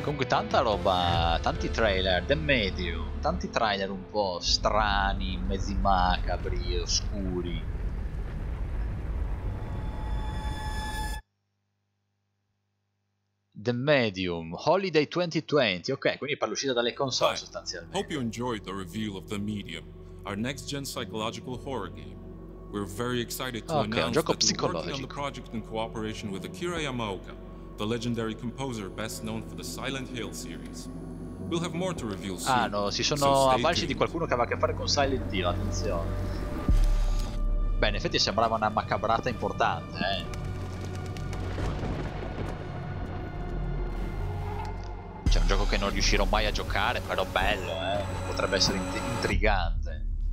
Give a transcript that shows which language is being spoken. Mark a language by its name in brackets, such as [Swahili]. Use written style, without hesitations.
[Italian] Comunque tanta roba, tanti trailer, The Medium, tanti trailer un po' strani, mezzi macabri, oscuri. The Medium, Holiday 2020, ok, quindi per l'uscita dalle console sostanzialmente. [English] Hope you enjoyed the reveal of The Medium, our next-gen psychological horror game. We're very excited to announce that we're working on the project in cooperation with Akira Yamaoka, the legendary composer best known for the Silent Hill series. We'll have more to reveal soon. [Italian] Ah no, si sono avvalsi di qualcuno che aveva a che fare con Silent Hill, attenzione. Beh, in effetti sembrava una macabrata importante, C'è un gioco che non riuscirò mai a giocare, però bello, Potrebbe essere intrigante.